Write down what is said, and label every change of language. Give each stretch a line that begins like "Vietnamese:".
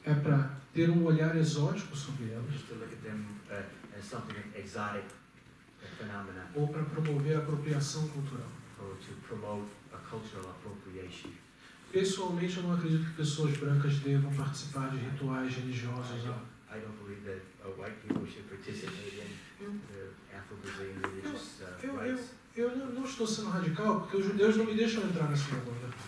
Portuguese: é para ter um olhar exótico sobre elas,
English: to look at them as something exotic, a phenomenon,
Portuguese: ou para promover a apropriação cultural,
English: or to promote a cultural appropriation.
Portuguese: Pessoalmente, eu não acredito que pessoas brancas devam participar de rituais religiosos.
English: I don't believe that white people should participate in Afro-Brazilian religious rites.
Portuguese: Eu não estou sendo radical, porque os judeus não me deixam entrar na sinagoga.